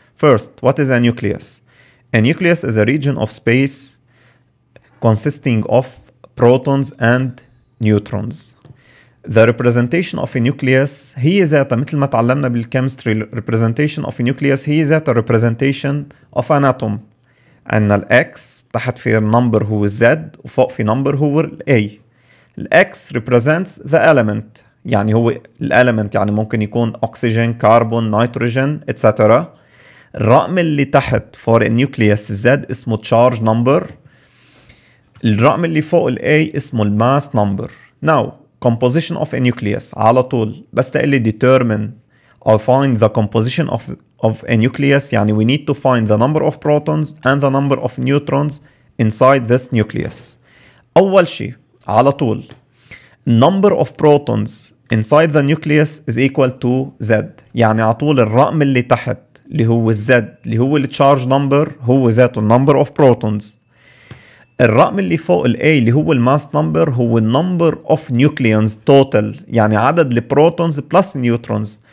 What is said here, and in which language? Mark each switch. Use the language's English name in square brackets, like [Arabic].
[English] First, what is a nucleus? A nucleus is a region of space consisting of protons and neutrons. The representation of a nucleus [Arabic] هي ذات مثل ما تعلمنا بالكيمستري [English] representation of a nucleus هي ذات representation of an atom. [Arabic] عندنا ال X تحت في number هو ال Z وفوق في number هو ال A. [English] ال X represents the element [Arabic] يعني هو ال element يعني ممكن يكون [English] oxygen, carbon, nitrogen, etc. [Arabic] الرقم اللي تحت for a nucleus Z اسمه charge number. الرقم اللي فوق ال A اسمه ال mass number. [English] Now composition of a nucleus [Arabic] على طول بس تقلي [English] determine or find the composition of a nucleus يعني we need to find the number of protons and the number of neutrons inside this nucleus. [Arabic] أول شيء على طول [English] number of protons inside the nucleus is equal to Z [Arabic] يعني على طول الرقم اللي تحت اللي هو Z اللي هو اللي charge number هو ذاته number of protons. الرقم اللي فوق ال A اللي هو الماس نمبر هو [English] number of nucleons total [Arabic] يعني عدد البروتونز plus neutrons.